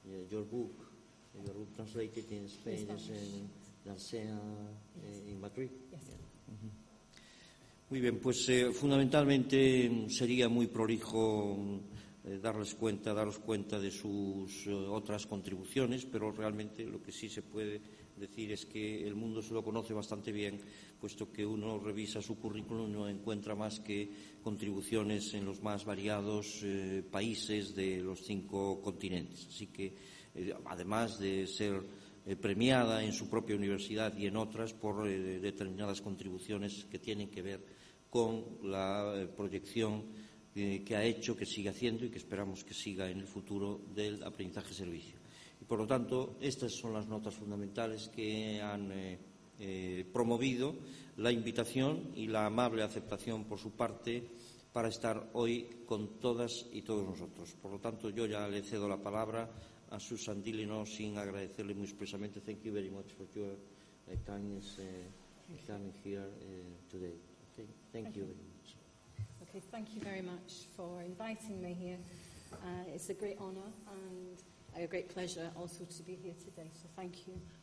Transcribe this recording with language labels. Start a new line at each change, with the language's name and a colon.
English: Your book translated in Spain is in Narcea in Madrid.
Spanish: Muy bien, pues fundamentalmente sería muy prolijo daros cuenta de sus otras contribuciones, pero realmente lo que sí se puede decir es que el mundo se lo conoce bastante bien, puesto que uno revisa su currículum y no encuentra más que contribuciones en los más variados países de los 5 continentes. Así que, además de ser premiada en su propia universidad y en otras por determinadas contribuciones que tienen que ver con la proyección que ha hecho, que sigue haciendo y que esperamos que siga en el futuro del aprendizaje-servicio. Y por lo tanto, estas son las notas fundamentales que han promovido la invitación y la amable aceptación por su parte para estar hoy con todas y todos nosotros. Por lo tanto, yo ya le cedo la palabra a Susan Dealey, no sin agradecerle muy expresamente.
English: Thank you very much for your kindness coming here today. Thank you very much for inviting me here. It's a great honor and a great pleasure also to be here today, so thank you.